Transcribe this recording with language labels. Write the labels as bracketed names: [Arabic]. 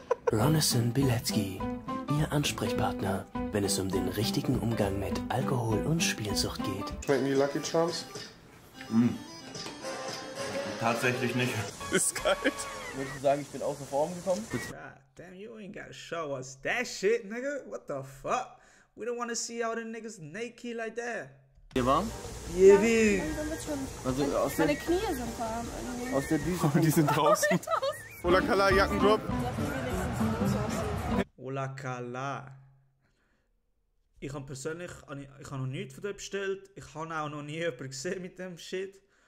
[German] Ronison Bilecki, Ihr Ansprechpartner, wenn es um den richtigen Umgang mit Alkohol und Spielsucht geht. Schmecken die Lucky Charms? Tatsächlich nicht. Ist kalt. Würdest du sagen, ich bin außer Form gekommen? [English] God damn, you ain't gotta show us that shit, nigga. What the fuck? We don't wanna see all the niggas naked like that. [German] Ihr warm? [English] Yeah, dude. [German] Ja, also, meine Knie sind warm. Irgendwie. Aus der Düse. Die sind draußen. Ola Kala, Jackendrop. Ola Kala. Ich habe persönlich ich hab noch nichts von dort bestellt. Ich habe auch noch nie jemanden gesehen mit dem Shit.